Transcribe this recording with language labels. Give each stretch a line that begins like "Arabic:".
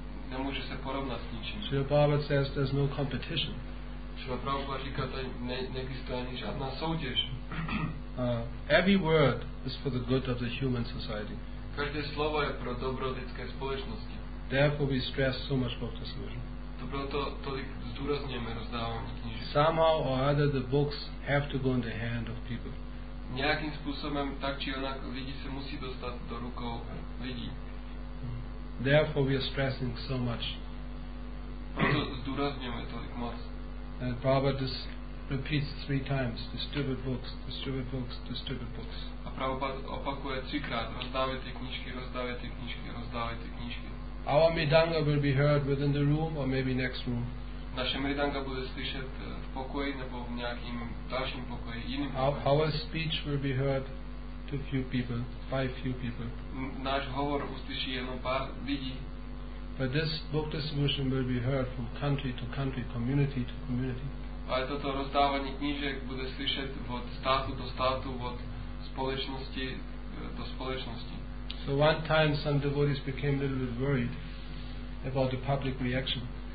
Czech: Nemůže se porovnat s ničím.
English: Srila Prabhupada says there's no competition.
Czech: Srila Prabhupada říká, že neexistuje ani žádná soutěž.
English: Every word is for the good of the human society.
Czech: Každé slovo je pro dobro lidské společnosti.
English: Therefore we stress so much book distribution.
Czech: To proto tolik zdůrazňujeme rozdávání knížek.
English: Somehow or other the books have to go in the hand of people.
Czech: Nějakým způsobem tak či onak lidi se musí dostat do rukou lidí.
English: Therefore we are stressing so much.
Czech: Proto zdůrazňujeme tolik moc.
English: And Prabhupada just repeats 3 times, distribute books, distribute books, distribute books.
Czech: A Prabhupada opakuje 3x, rozdávajte knížky, rozdávajte knížky, rozdávajte knížky.
English: Our Midanga will be heard within the room or maybe next room.
Czech: Naše Midanga bude slyšet v pokoji nebo v nějakým dalším pokoji, jiným pokoji.
English: Our speech will be heard to few people, by few people.
Czech: Náš hovor uslyší jenom pár lidí.
English: But this book distribution will be heard from country to country, community to community.
Czech: Ale toto rozdávání knížek bude slyšet od státu do státu, od společnosti do společnosti.
English: So one time some devotees became a little bit worried about the public reaction.